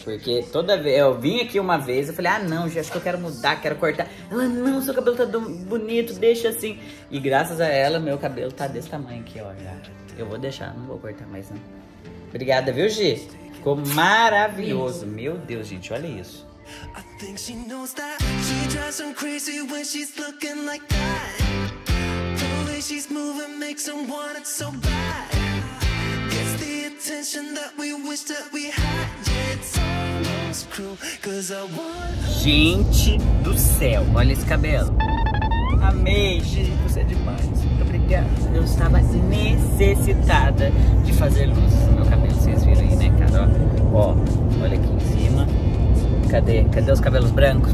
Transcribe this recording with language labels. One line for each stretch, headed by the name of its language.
Portuguese: Porque toda vez, eu vim aqui uma vez, eu falei, ah não, Gi, acho que eu quero mudar, quero cortar. Ela, não, seu cabelo tá bonito, deixa assim. E graças a ela, meu cabelo tá desse tamanho aqui, ó. Eu vou deixar, não vou cortar mais não. Obrigada, viu, Gi? Ficou maravilhoso. Meu Deus, gente, olha isso.
English: I think she knows that she drives him crazy when she's looking like that. The way she's moving makes him want it so bad. It's the attention that we wish that we had. Yeah, it's almost cruel, 'cause I want.
Portuguese: Gente do céu, olha esse cabelo. Amei, gente, você é demais. Muito obrigada. Eu estava necessitada de fazer luz no meu cabelo, vocês viram aí, né, cara? Ó, olha aqui em cima. Cadê? Cadê os cabelos brancos?